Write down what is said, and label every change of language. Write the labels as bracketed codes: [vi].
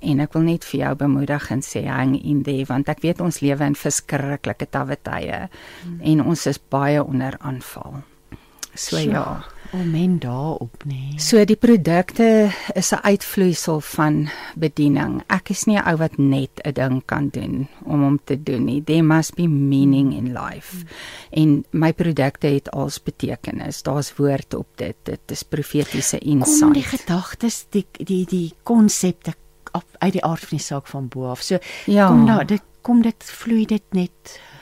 [af] En ek wil net vir jou bemoedig en sê, [en] hang in there, [af] want ek weet ons lewe in verskriklike tawwe tye, en ons is baie onder aanval. So ja. Amen daarop nie. So die produkte is 'n uitvloeisel van bediening. Ek is nie 'n ou wat net 'n ding kan doen om hom te doen nie. [en] There must be meaning in life. [af] En my produkte het als betekenis. Daar's woord op dit. Dit is profetiese insig. Kom die gedagtes, die konsepte uit die aard van die saak van bo af. So ja. kom dit vloei dit net.